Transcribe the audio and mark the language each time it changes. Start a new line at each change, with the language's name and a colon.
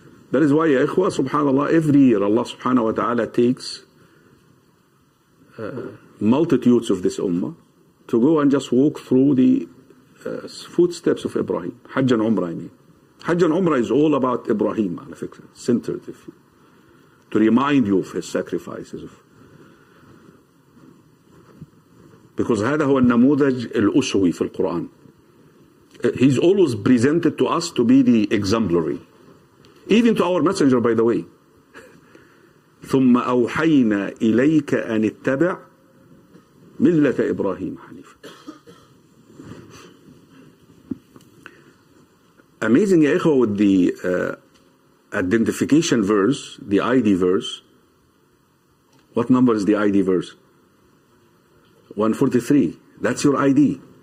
English: That is why, ya ikhwa, subhanAllah, every year Allah subhanahu wa ta'ala takes multitudes of this ummah to go and just walk through the footsteps of Ibrahim. Hajj and Umrah, I mean. Hajj and Umrah is all about Ibrahim, centered, if you, to remind you of his sacrifices.
Arabic: Because هذا هو النموذج الأسوي في القرآن.
English: He's always presented to us to be the exemplary. Even to our messenger, by the way.
Arabic: ثم أوحينا إليك أن اتبع ملة إبراهيم حنيفة.
English: Amazing,
Arabic: يا إخوة,
English: with the identification verse, the ID verse. What number is the ID verse? 143. That's your ID.